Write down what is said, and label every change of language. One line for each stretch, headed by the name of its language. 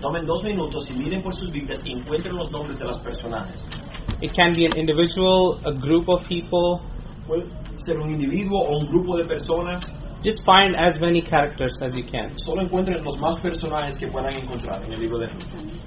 Spanish: Tomen 2 minutos y miren por sus Biblias y encuentren los nombres de las personajes.
English: It can be an individual, a group of people.
Spanish: Puede ser un individuo o un grupo de personas.
English: Just find as many characters as you can.
Spanish: Solo encuentren los más personajes que puedan encontrar en el libro de Ruth.